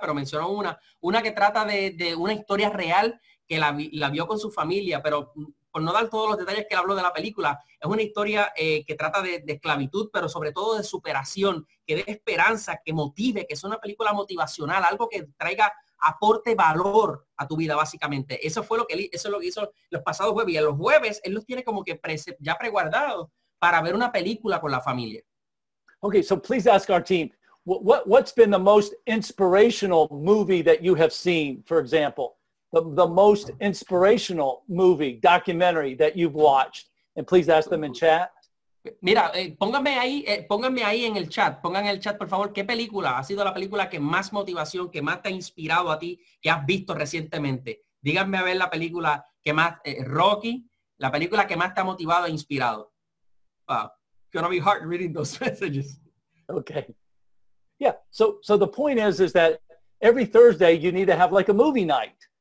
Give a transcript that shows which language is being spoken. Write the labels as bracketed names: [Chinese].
[Spanish] Pero mencionó una que trata de una historia real que la vio con su familia, pero por no dar todos los detalles que él habló de la película, es una historia que trata de esclavitud, pero sobre todo de superación, que dé esperanza, que motive, que es una película motivacional, algo que traiga aporte valor a tu vida, básicamente. Eso fue lo que hizo los pasados jueves. Y en los jueves, él los tiene como que ya preguardado para ver una película con la familia. [English] Okay, so please ask our team, what's been the most inspirational movie that you have seen, for example? The most inspirational movie, documentary that you've watched? And please ask them in chat. [Spanish] Mira, pónganme ahí en el chat. Pongan en el chat, por favor, ¿qué película ha sido la película que más motivación, que más te ha inspirado a ti, que has visto recientemente? Díganme a ver la película que más, Rocky, la película que más te ha motivado e inspirado. [English] Wow. Gonna be hard reading those messages. Okay. Yeah. So the point is that every Thursday you need to have like a movie night.